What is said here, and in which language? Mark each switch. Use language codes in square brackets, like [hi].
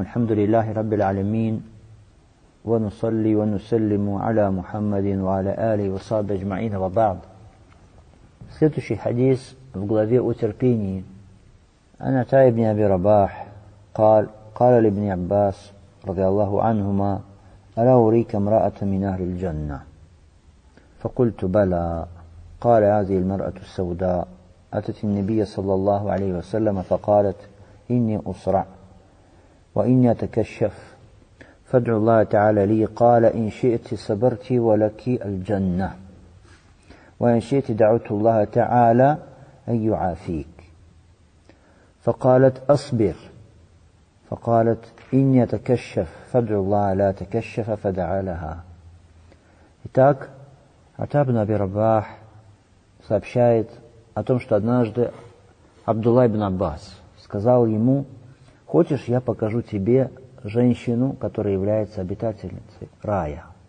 [ar] الحمد لله رب العالمين، ونصلي ونسلم على محمد وعلى آله وصحبه أجمعين، وبعد. [ru] следующий حديث в главе о терпении. [ar] عن عطاء بن أبي رباح قال قال لابن عباس رضي الله عنهما: ألا أريك امرأة من أهل الجنة؟ فقلت: بلى. قال: هذه المرأة السوداء أتت النبي صلى الله عليه وسلم فقالت: إني أسرع وإني أتكشف، فادعوا الله تعالى لي. قال: إن شئت صبرت ولك الجنة، وإن شئت دعوت الله تعالى أن يعافيك. فقالت: أصبر. فقالت: إني أتكشف، فادعوا الله لا تكشف، فدعا لها. [ru] Итак, عطاء بن أبي رباح сообщает о том, что однажды Абдуллах ибн Аббас сказал ему: хочешь, я покажу тебе женщину, которая является обитательницей рая?